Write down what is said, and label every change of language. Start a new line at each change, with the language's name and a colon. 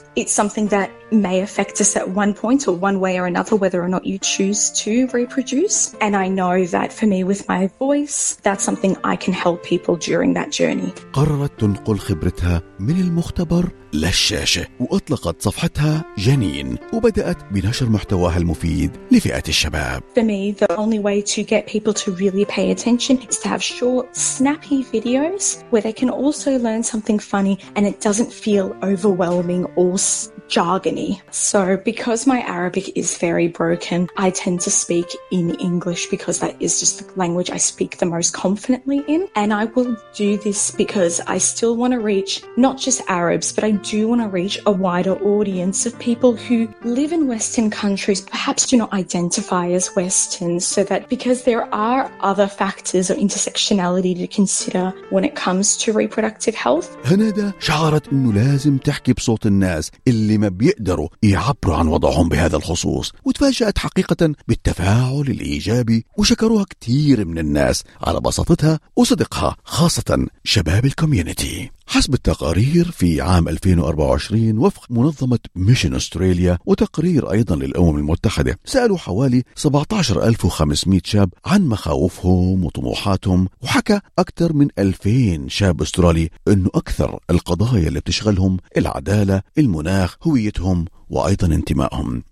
English: It's something that may affect us at one point or one way or another, whether or not you choose to reproduce. And I know that for me with my voice, that's something I can help people during that journey.
Arabic: قررت تنقل خبرتها من المختبر للشاشة وأطلقت صفحتها جنين وبدأت بنشر محتواها المفيد لفئة الشباب.
English: For me, the only way to get people to really pay attention is to have short, snappy videos where they can also learn something funny and it doesn't feel overwhelming or jargony. So because my Arabic is very broken, I tend to speak in English because that is just the language I speak the most confidently in. And I will do this because I still want to reach not just Arabs, but I do want to reach a wider audience of people who live in Western countries, perhaps do not identify as Western, so that because there are other factors or intersectionality to consider when it comes to reproductive health.
Arabic: هنادة شعرت أنه لازم تحكي بصوت الناس اللي ما بيقدروا يعبروا عن وضعهم بهذا الخصوص، وتفاجأت حقيقة بالتفاعل الإيجابي وشكروها كتير من الناس على بساطتها وصدقها، خاصة شباب الكوميونيتي. حسب التقارير في عام 2024 وفق منظمة ميشن أستراليا وتقرير أيضا للأمم المتحدة، سألوا حوالي 17500 شاب عن مخاوفهم وطموحاتهم، وحكى أكثر من 2000 شاب أسترالي أنه أكثر القضايا اللي بتشغلهم العدالة، المناخ، هويتهم وأيضا انتمائهم.